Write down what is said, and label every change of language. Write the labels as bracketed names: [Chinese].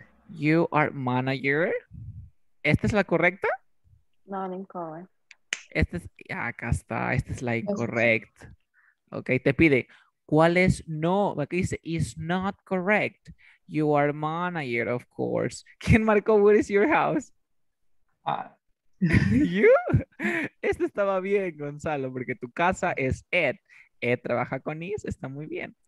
[English] You are manager. [Spanish] ¿Esta es la correcta? No, la incorrecta. Esta es, acá está, esta es la incorrecta. Ok, te pide, ¿cuál es? No, aquí dice, [English] is not correct. You are manager, of course. [Spanish] ¿Quién marcó [English] what is your house? You. [Spanish] Este estaba bien, Gonzalo, porque tu casa es Ed. Ed trabaja con is, está muy bien.